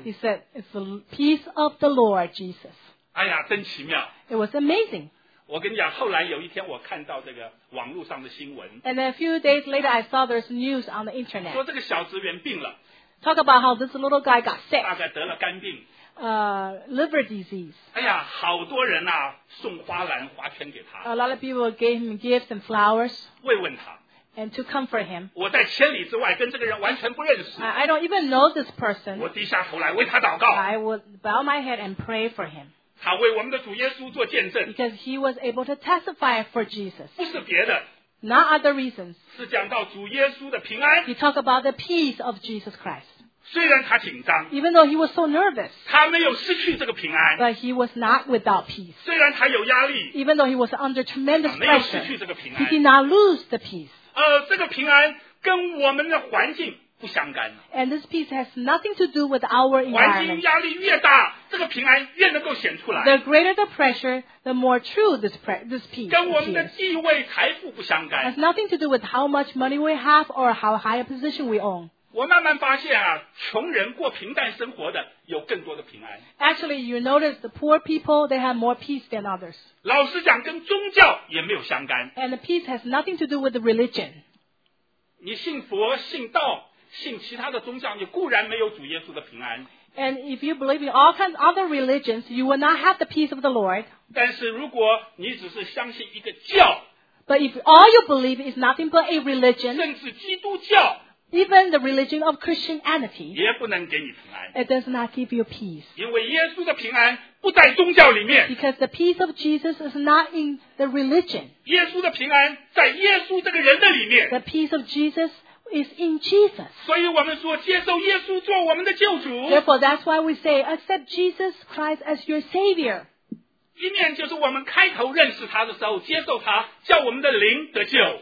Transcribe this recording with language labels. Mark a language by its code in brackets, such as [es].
[en] He said, it's the peace of the Lord Jesus. [zh] 哎呀真奇妙 [en] It was amazing [zh] 我跟你讲后来有一天我看到这个网络上的新闻 [en] And a few days later I saw there's news on the internet [zh] 说这个小职员病了 [en] Talk about how this little guy got sick [zh] 大概得了肝病 [en] Liver disease [zh] 哎呀好多人啊送花篮花圈给他 [en] A lot of people gave him gifts and flowers [zh] 慰问他 [en] And to comfort him [zh] 我在千里之外跟这个人完全不认识 [en] I don't even know this person [zh] 我低下头来为他祷告 [en] I would bow my head and pray for him [zh] 他为我们的主耶稣做见证 [en] Because he was able to testify for Jesus. [zh] 不是别的 [en] Not other reasons. [zh] 是讲到主耶稣的平安 [en] He talked about the peace of Jesus Christ. [zh] 虽然他紧张 [en] Even though he was so nervous. [zh] 他没有失去这个平安 [en] But he was not without peace. [zh] 虽然他有压力 [en] Even though he was under tremendous pressure. [zh] 没有失去这个平安 [en] He did not lose the peace. [zh] 这个平安跟我们的环境不相干 [en] And this peace has nothing to do with our environment. [zh] 环境压力越大这个平安越能够显出来。 [en] The greater the pressure, the more true this peace. [zh] 跟我们的地位财富不相干。 [en] Has nothing to do with how much money we have or how high a position we own. [zh] 我慢慢发现啊，穷人过平淡生活的有更多的平安。 [en] Actually, you notice the poor people, they have more peace than others. [zh] 老实讲，跟宗教也没有相干。 [en] And the peace has nothing to do with the religion. [zh] 你信佛、信道、信其他的宗教，你固然没有主耶稣的平安。 [en] And if you believe in all kinds of other religions, you will not have the peace of the Lord. [zh] 但是如果你只是相信一个教 [en] But if all you believe is nothing but a religion, [zh] 甚至基督教 [en] even the religion of Christianity, [zh] 也不能给你平安 [en] it does not give you peace. [zh] 因为耶稣的平安不在宗教里面 [en] Because the peace of Jesus is not in the religion. [zh] 耶稣的平安在耶稣这个人的里面 [en] The peace of Jesus is in Jesus. [zh] 所以我们说接受耶稣做我们的救主。 [en] Therefore, that's why we say, accept Jesus Christ as your Savior. [zh] 一面就是我们开头认识他的时候接受他叫我们的灵得救。